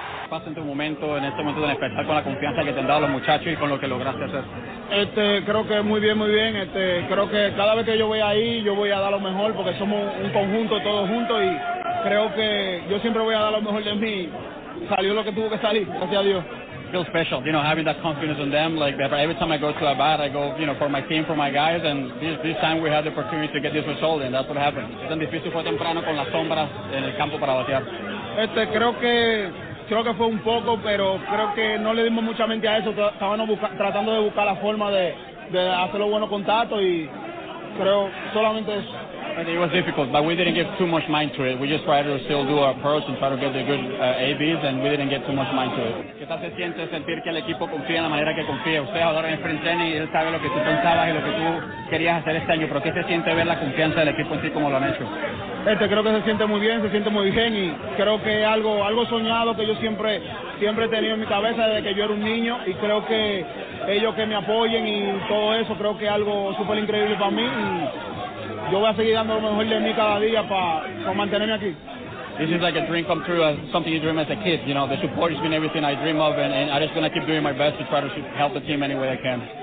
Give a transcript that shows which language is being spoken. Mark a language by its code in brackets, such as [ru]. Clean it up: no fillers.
[es] Pasa en tu momento, en este momento, de despertar con la confianza que te han dado los muchachos y con lo que lograste hacer. Creo que muy bien, muy bien. Creo que cada vez que yo voy ahí, yo voy a dar lo mejor porque somos un conjunto, todos juntos, y creo que yo siempre voy a dar lo mejor de mí. Salió lo que tuvo que salir, gracias a Dios. [en] Feel special, you know, having that confidence in them. Like that, every time I go to a bat, I go, you know, for my team, for my guys. And this time we had the opportunity to get this result, and that's what happened. [es] Tan difícil fue temprano con las sombras en el campo para batear. Creo que fue un poco, pero creo que no le dimos mucha mente a eso. Estábamos tratando de buscar la forma de hacerlo bueno contacto, y creo solamente eso. [en] It was difficult, but we didn't give too much mind to it. We just tried to still do our approach and try to get the good ABs, and we didn't get too much mind to it. [es] ¿Qué tal se siente sentir que el equipo confía en la manera que confía? Usted ahora en sprint training, él sabe lo que tú pensabas y lo que tú querías hacer este año, pero ¿qué se siente ver la confianza del equipo en ti como lo han hecho? Creo que se siente muy bien, se siente muy bien, y creo que algo soñado que yo siempre he tenido en mi cabeza desde que yo era un niño, y creo que ellos que me apoyen y todo eso, creo que algo súper increíble para mí, y yo voy a seguir dando lo mejor de mí cada día para mantenerme aquí. [en] This is like a dream come true, something you dream as a kid. You know, the support has been everything I dream of, and I'm just going to keep doing my best to try to help the team any way I can.